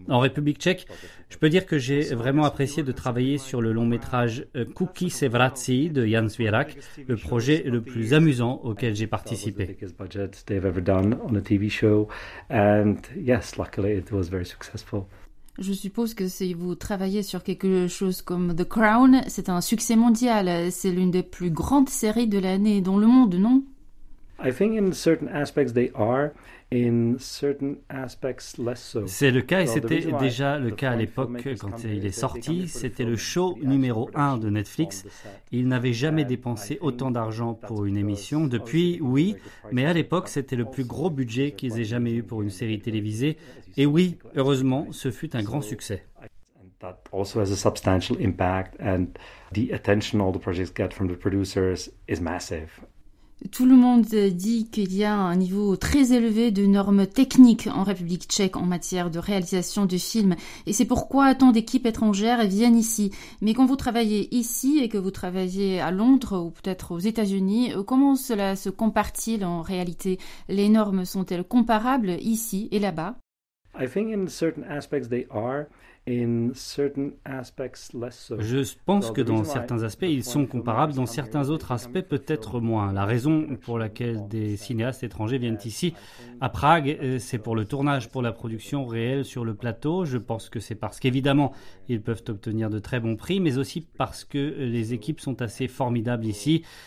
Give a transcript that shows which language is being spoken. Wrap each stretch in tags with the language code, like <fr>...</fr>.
<fr>En République tchèque, je peux dire que j'ai vraiment apprécié de travailler sur le long-métrage « Kuki se vrací » de Jan Svirak, le projet le plus amusant auquel j'ai participé. Je suppose que si vous travaillez sur quelque chose comme The Crown, c'est un succès mondial. C'est l'une des plus grandes séries de l'année dans le monde, non?</fr> <en>I think in certain aspects they are. In certain aspects, less so.</en> <fr>C'est le cas et c'était déjà le cas à l'époque quand il est sorti. C'était le show numéro 1 de Netflix. Il n'avait jamais dépensé autant d'argent pour une émission. Depuis, oui, mais à l'époque, c'était le plus gros budget qu'ils aient jamais eu pour une série télévisée. Et oui, heureusement, ce fut un grand succès.</fr> <en>That also has a substantial impact and the attention all the projects get from the producers is massive.</en> <fr>Tout le monde dit qu'il y a un niveau très élevé de normes techniques en République tchèque en matière de réalisation de films. Et c'est pourquoi tant d'équipes étrangères viennent ici. Mais quand vous travaillez ici et que vous travaillez à Londres ou peut-être aux États-Unis, comment cela se compare-t-il en réalité? Les normes sont-elles comparables ici et là-bas?</fr> <en>I think in certain aspects they are. In certain aspects, less so.</en> <fr>Je pense que dans certains aspects, ils sont comparables. Dans certains autres aspects, peut-être moins. La raison pour laquelle des cinéastes étrangers viennent ici à Prague, c'est pour le tournage, pour la production réelle sur le plateau. Je pense que c'est parce qu'évidemment, ils peuvent obtenir de très bons prix, mais aussi parce que les équipes sont assez formidables ici.</fr>